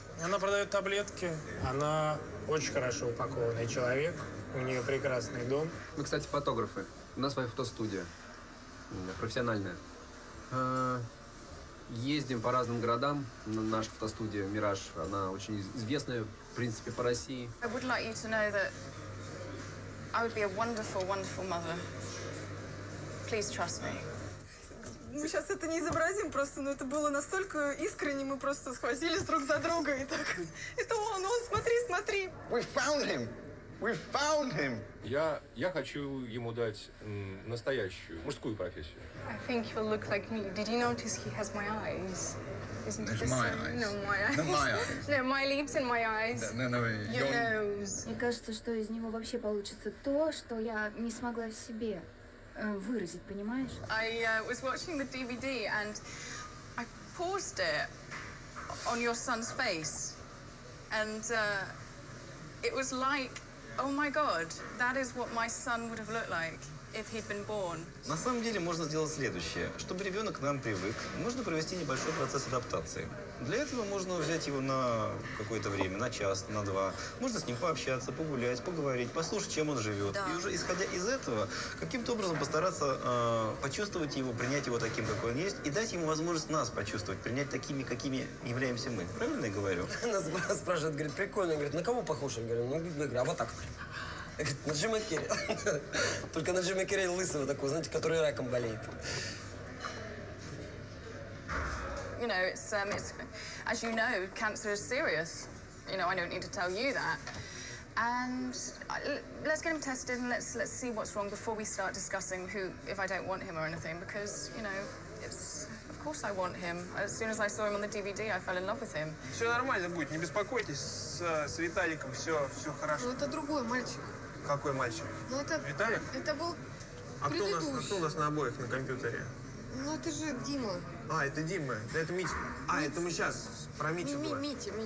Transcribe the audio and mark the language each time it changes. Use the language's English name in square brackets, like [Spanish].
[Russian] Она продает таблетки, она очень хорошо упакованный человек, у нее прекрасный дом. Мы, кстати, фотографы, у нас своя фотостудия, профессиональная. Ездим по разным городам. Наша фотостудия «Мираж», она очень известная, в принципе, по России. [English] I would like you to know that I would be a wonderful, wonderful mother. Please trust me. [Russian] Мы сейчас это не изобразим просто, но это было настолько искренне, мы просто схватились друг за друга и так. Это он, смотри, смотри. [English] We found him. We found him. [Russian] Я хочу ему дать настоящую мужскую профессию. [English] I think he'll look like me. Did you notice he has my eyes? Isn't it my eyes? No, my lips and my eyes. Your nose. [Russian] Мне кажется, что из него вообще получится то, что я не смогла в себе выразить, понимаешь? [English] I was watching the DVD and I paused it on your son's face and it was like, oh my God, that is what my son would have looked like. if he'd been born. [Russian] На самом деле можно сделать следующее. Чтобы ребенок к нам привык, можно провести небольшой процесс адаптации. Для этого можно взять его на какое-то время, на час, на два. Можно с ним пообщаться, погулять, поговорить, послушать, чем он живет. Да. И уже исходя из этого, каким-то образом постараться почувствовать его, принять его таким, какой он есть, и дать ему возможность нас почувствовать, принять такими, какими являемся мы. Правильно я говорю? Она спрашивает, говорит, прикольно. Говорит, на кого похож? Я говорю, ну, а вот так. Говорит, на Джима Керри. Только на Джима Керри лысого такого, знаете, который раком болеет. [English] You know, it's as you know, cancer is serious. You know, I don't need to tell you that. And let's get him tested and let's see what's wrong before we start discussing who, if I don't want him or anything, because, you know, it's, of course I want him. As soon as I saw him on the DVD, I fell in love with him. [Russian] Все нормально будет, не беспокойтесь, с Виталиком все, все хорошо. Ну, это другой мальчик. Какой мальчик? Ну, это... Виталик? Это был предыдущий. А кто у нас на обоих на компьютере? Ну, это же Дима. А, это Дима. Да, это Митя. А, это мы сейчас про Митю говорим. Митя.